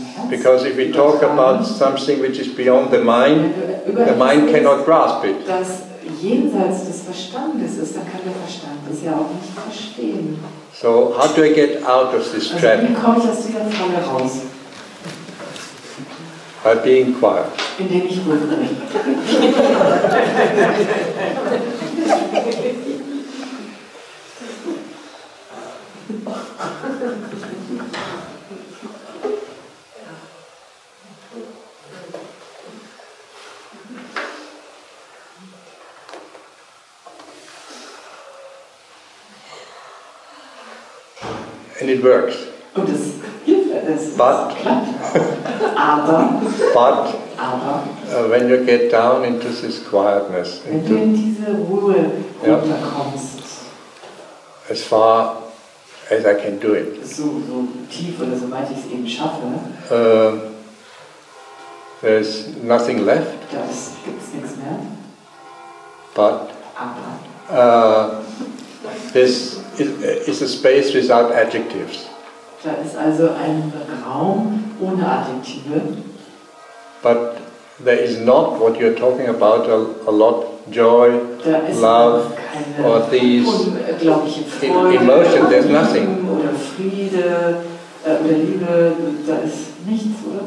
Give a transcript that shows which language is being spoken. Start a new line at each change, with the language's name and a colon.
English: Because if we talk about something which is beyond the mind cannot grasp it.
German: Jenseits des Verstandes ist, dann kann der Verstand das ja auch nicht verstehen.
English: So, how do I get out of this trap?
German: Also, wie komme ich aus dieser Falle raus?
English: By being quiet.
German: Indem ich ruhig bin.
English: And it works.
German: Und es hilft, es
English: but,
German: klappt. Aber,
English: but,
German: aber,
English: when you get down into this quietness,
German: wenn du in diese Ruhe runterkommst,
English: as far as I can do it,
German: so tief oder soweit ich es eben schaffe,
English: there's nothing left.
German: Das gibt's nichts mehr.
English: But,
German: aber,
English: this. It's a space without adjectives.
German: Da ist also ein Raum ohne Adjektive.
English: But there is not what you're talking about a lot joy, love, or these emotions. There's nothing.
German: Oder Friede, der Liebe, da ist nichts, oder?